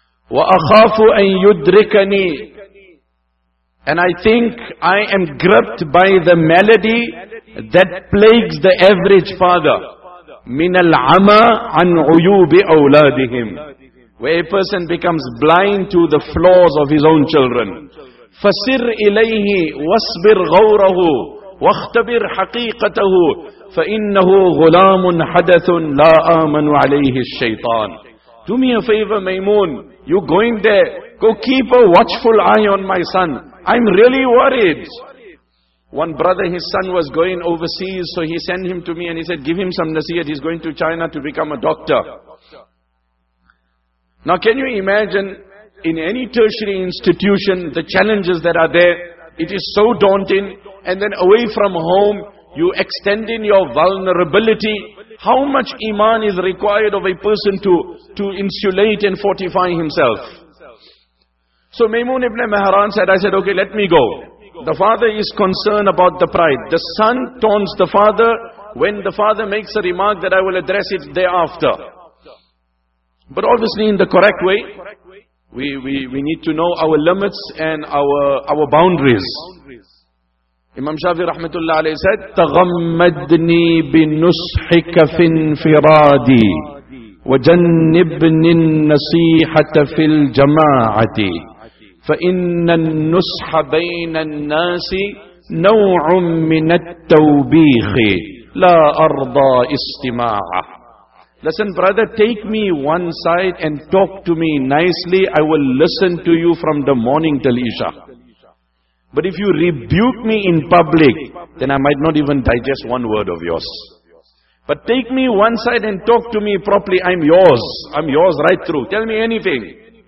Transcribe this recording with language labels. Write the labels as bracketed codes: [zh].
[ar] وَأَخَافُ أَن يُدْرِكَنِي [en] And I think I am gripped by the malady that plagues the average father. [ar] مِنَ الْعَمَى عَنْ عُيُوبِ أَوْلَادِهِمْ [en] Where a person becomes blind to the flaws of his own children. [ar] فسر إليه واصبر غوره واختبر حقيقته فإنه غلام حدث لا آمن عليه الشيطان. [en] Do me a favor, Maymoon. You're going there. Go keep a watchful eye on my son. I'm really worried. One brother, his son was going overseas, so he sent him to me and he said, give him some nasihat. He's going to China to become a doctor. Now, can you imagine in any tertiary institution the challenges that are there? It is so daunting. And then away from home, you extend in your vulnerability. How much iman is required of a person to insulate and fortify himself? So Maymoon ibn Mahran said, I said, okay, let me go. The father is concerned about the pride. The son taunts the father when the father makes a remark that I will address it thereafter. But obviously in the correct way, we need to know our limits and our boundaries. Imam Shafi rahmatullah alayhi said, [ar] تَغَمَّدْنِي بِنُسْحِكَ فِي انْفِرَادِي وَجَنِّبْنِي النَّصِيحَةَ فِي الْجَمَاعَةِ فَإِنَّ النُّسْحَ بَيْنَ النَّاسِ نَوْعٌ مِّنَ التَّوْبِيخِ لَا أَرْضَى إِسْتِمَاعَ. [en] Listen, brother, take me one side and talk to me nicely. I will listen to you from the morning till Isha. But if you rebuke me in public, then I might not even digest one word of yours. But take me one side and talk to me properly. I'm yours. I'm yours right through. Tell me anything.